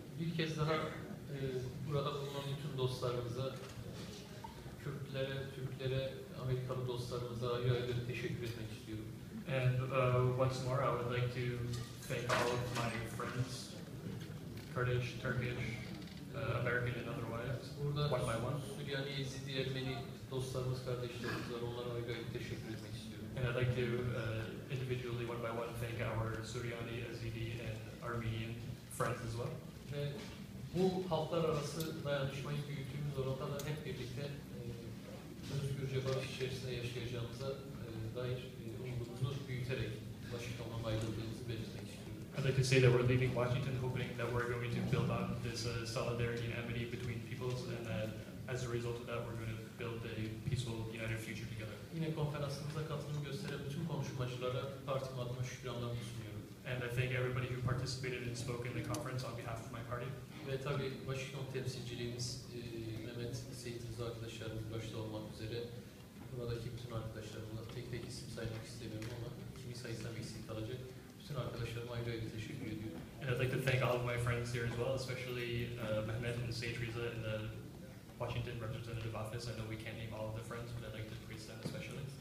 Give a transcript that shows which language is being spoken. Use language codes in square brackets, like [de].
[tr] Bir kez daha burada bulunan bütün dostlarımıza, Kürtlere, Türklere, Amerikalı dostlarımıza ayrı ayrı teşekkür etmek istiyorum. [en] And once more, I would like to thank all of my friends, Kurdish, Turkish, American, and otherwise, one by one. [tr] Suriyani, Yezidi, Ermeni, dostlarımız, kardeşlerimiz var. Onlara da çok teşekkür etmek istiyorum. [en] And I'd like to individually, one by one, thank our Suriyani, Azeri and Armenian friends as well. [tr] Ve bu halklar arası dayanışmayı büyüttüğümüz oradan hep birlikte özgürce barış içerisinde yaşayacağımıza dair umudumuzu büyüterek Washington'a bayıldığımızı belirtmek istiyorum. [en] I'd like to say that we're leaving Washington hoping that we're going to build up this solidarity and amity between peoples, and that as a result of that, we're going to build a peaceful, united future together. [tr] Yine konferansımıza katılım gösteren bütün konuşmacılara partim adına şükranlarımı sunuyorum. [en] And I thank everybody who participated and spoke in the conference on behalf of my party. [tr] Ve tabii Washington temsilciliğimiz Mehmet Seyit Rıza arkadaşlarımız başta olmak üzere buradaki bütün arkadaşlarımla tek tek isim saymak istemiyorum ama kimi saysam eksik kalacak. [en] And I'd like to thank all of my friends here as well, especially Mehmet and Sage Riza in the Washington Representative Office. I know we can't name all of the friends, but I'd like to praise them especially.